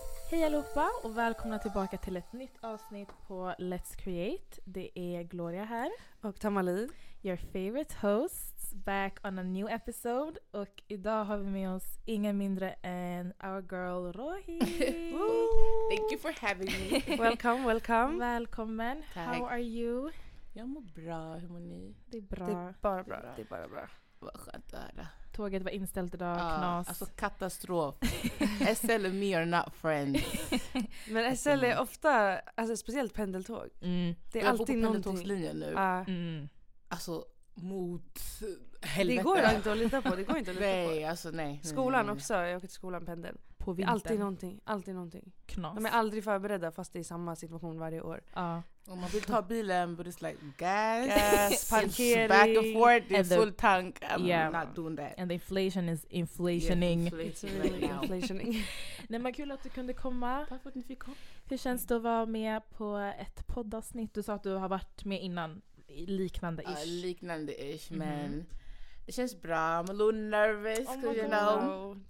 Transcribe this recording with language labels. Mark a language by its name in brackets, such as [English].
[Swedish] Hej allihopa och välkomna tillbaka till ett nytt avsnitt på Let's Create. Det är Gloria här. Och Tamali. [English] Your favorite hosts back on a new episode. [Swedish] Och idag har vi med oss ingen mindre än [English] our girl [Swedish] Rohi. [English] Thank you for having me. Welcome, welcome. [Swedish] Välkommen. Tack. [English] How are you? [Swedish] Jag mår bra, hur mår ni? Det är bra. Det är bara bra. Det är bara bra. Vad skönt att höra. Tåget var inställt idag, ja, knas. Alltså katastrof. [English] SL and me are not friends. [Swedish] Men SL är ofta, alltså speciellt pendeltåg. Mm. Det är alltid på pendeltågslinjen någonting. Nu. Alltså mot helvete. Det går inte att lita på, det går inte att lita nej, på. Alltså, nej. Skolan också, jag åker till skolan pendel. På vintern. Alltid någonting. Knas. De är aldrig förberedda fast det är samma situation varje år. Ja. Om man vill ta bilen, [English] but it's like gas, [Swedish] parkering, [English] back and forth, it's full tank, not doing that. And the inflation is inflationing. Yeah, inflationing. [Swedish] Nej, men kul att du kunde komma. Tack för att ni fick komma. Hur känns det att vara med på ett poddavsnitt? Du sa att du har varit med innan, liknande-ish. Liknande-ish, men det känns bra. [English] I'm a little nervous, oh you know.